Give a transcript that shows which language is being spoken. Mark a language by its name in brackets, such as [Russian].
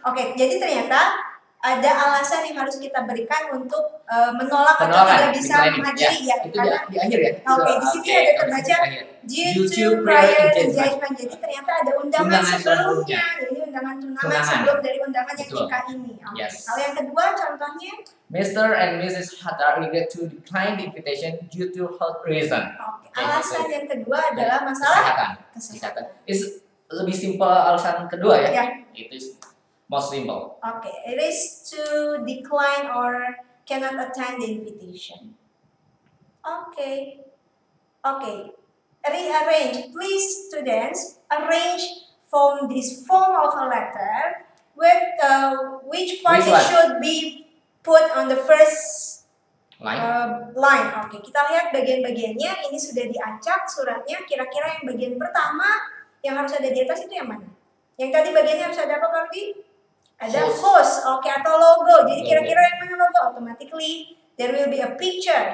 [Indonesian] Oke, jadi ternyata ada alasan yang harus kita berikan untuk menolak atau tidak bisa menghadiri. Ya, ya, itu karena, di akhir ya. Oke, di sini ada terbaca [English] due to prior engagement. [Indonesian] Jadi ternyata ada undangan sebelumnya. Ini undangan tunangan sebelum dari undangan yang nikah ini. [English] Okay. Yes. [Indonesian] Kalau yang kedua contohnya, [English] Mr. and Mrs. Hatta regret to decline the invitation due to health reason. Okay. [Indonesian] Alasan yang kedua adalah masalah kesehatan. It's lebih simpel alasan kedua ya. Yeah. [English] It is most simple. Okay. It is to decline or cannot attend the invitation. Okay. Okay. Rearrange, please students, arrange from this form of a letter with which party should be put on the first line. [Indonesian] Okay, kita lihat bagian-bagiannya. Ini sudah diacak suratnya. Kira-kira yang bagian pertama yang harus ada di atas itu yang mana? Yang tadi bagiannya harus ada apa, Kardi? Ada host. Okay, atau logo. Jadi kira-kira yang mana logo? [English] Automatically there will be a picture.